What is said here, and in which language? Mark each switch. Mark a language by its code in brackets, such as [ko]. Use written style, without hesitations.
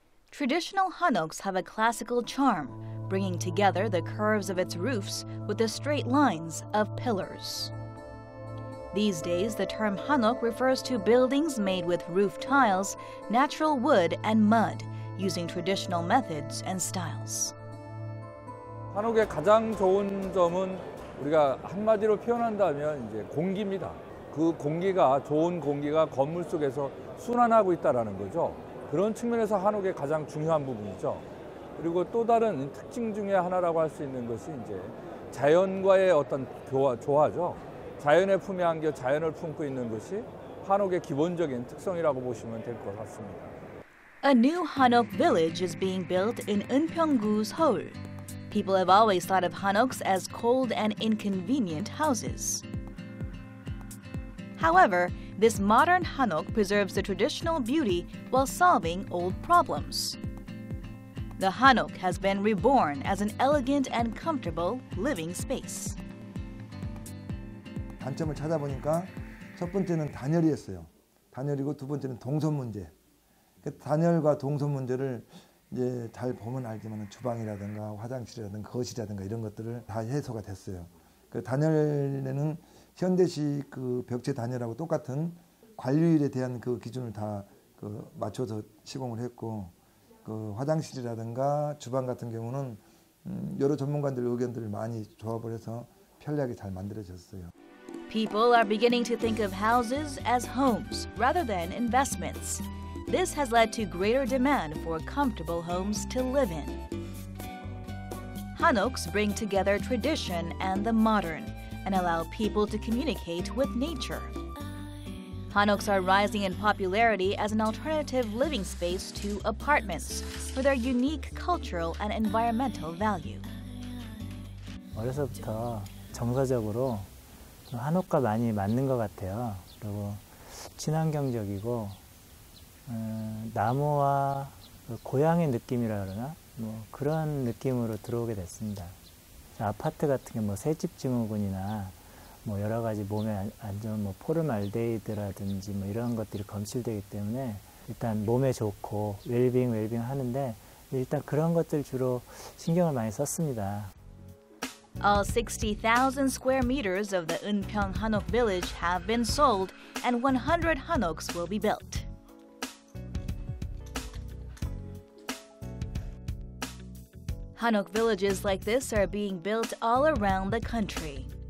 [en] Traditional Hanoks have a classical charm, bringing together the curves of its roofs with the straight lines of pillars. These days, the term Hanok refers to buildings made with roof tiles, natural wood, and mud, using traditional methods and styles. [ko] 한옥의 가장 좋은 점은 우리가 한마디로 표현한다면 이제 공기입니다. 그 공기가 좋은 공기가 건물 속에서 순환하고 있다라는 거죠. 그런 측면에서 한옥의 가장 중요한 부분이죠. 그리고 또 다른 특징 중에 하나라고 할 수 있는 것이 이제 자연과의 어떤 조화죠. 자연의 품에 안겨 자연을 품고 있는 것이 한옥의 기본적인 특성이라고 보시면 될 것 같습니다. [en] A new Hanok village is being built in Impyeonggu, Seoul. People have always thought of Hanoks as cold and inconvenient houses. However, this modern Hanok preserves the traditional beauty while solving old problems. The Hanok has been reborn as an elegant and comfortable living space. [ko] 단점을 찾아보니까 첫 번째는 단열이었어요. 단열이고 두 번째는 동선 문제. 단열과 동선 문제를 이제 잘 보면 알지만 주방이라든가 화장실이라든가 거실이라든가 이런 것들을 다 해소가 됐어요. 그 단열에는 현대식 그 벽체 단열하고 똑같은 관리율에 대한 그 기준을 다 그 맞춰서 시공을 했고 그 화장실이라든가 주방 같은 경우는 여러 전문가들 의견들을 많이 조합을 해서 편리하게 잘 만들어졌어요. [en] People are beginning to think of houses as homes rather than investments. This has led to greater demand for comfortable homes to live in. Hanoks bring together tradition and the modern and allow people to communicate with nature. Hanoks are rising in popularity as an alternative living space to apartments for their unique cultural and environmental value. [ko] 어려서부터 정서적으로 좀 한옥과 많이 맞는 것 같아요. 그리고 친환경적이고 나무와 그 고향의 느낌이라 그러나 뭐 그런 느낌으로 들어오게 됐습니다. 아파트 같은 게 뭐 새집 증후군이나 뭐 여러 가지 몸에 안 좋은 뭐 포름알데히드라든지 뭐 이런 것들이 검출되기 때문에 일단 몸에 좋고 웰빙 하는데 일단 그런 것들 주로 신경을 많이 썼습니다. [en] All 60,000 square meters of the Impyeong Hanok village have been sold and 100 Hanoks will be built. Hanok villages like this are being built all around the country.